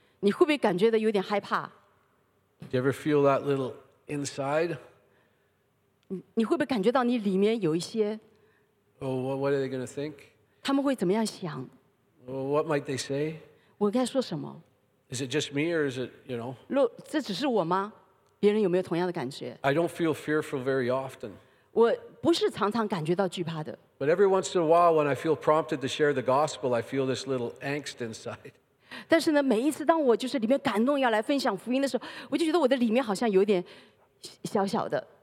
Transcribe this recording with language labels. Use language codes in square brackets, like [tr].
[en] Do you ever feel that little inside? Oh, what are they going to think? [zh] 他们会怎么样想? [en] What might they say? [zh] 我该说什么? [en] Is it just me or is it, you know? [zh] 这只是我吗? 别人有没有同样的感觉? [en] I don't feel fearful very often. [zh] 我不是常常感觉到惧怕的。 [en] But every once in a while when I feel prompted to share the gospel, I feel this little angst inside. [zh] 但是呢, 每一次当我就是里面感动要来分享福音的时候, 我就觉得我的里面好像有点小小的。